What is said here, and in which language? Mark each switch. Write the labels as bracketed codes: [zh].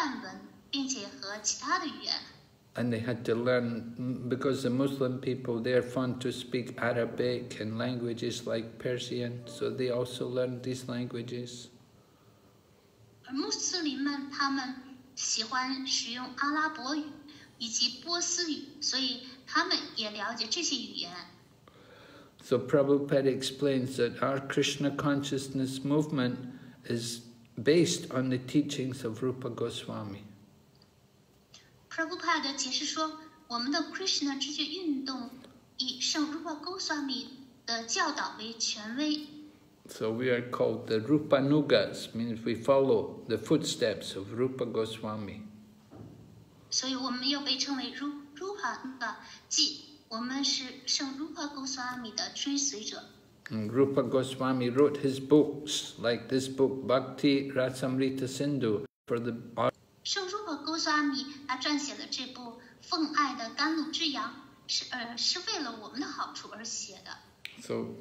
[zh] 因为他们是出生在孟加拉，所以他们自然也精通孟加拉语。他们除此之外还了解，还熟悉梵文，并且和其他的语言。 [en] And they had to learn, because the Muslim people, they are fond to speak Arabic and languages like Persian, so they also learned these languages. [zh] 而穆斯林们他们喜欢使用阿拉伯语以及波斯语，所以他们也了解这些语言。 [en] So Prabhupada explains that our Krishna consciousness movement is based on the teachings of Rupa Goswami. [zh] Prabhupada 解释说，我们的 Krishna 之觉运动以圣 Rupa Goswami 的教导为权威。 [en] So we are called the Rupanugas, means we follow the footsteps of Rupa Goswami. [zh] 所以我们又被称为 Rupanuga, 即我们是圣 Rupa Goswami 的追随者。 [en] And Rupa Goswami wrote his books, like this book, Bhakti Rasamrita Sindhu, for the. [zh] 圣如果勾刷米他撰写了这部奉爱的甘露之阳，是为了我们的好处而写的。 [en] So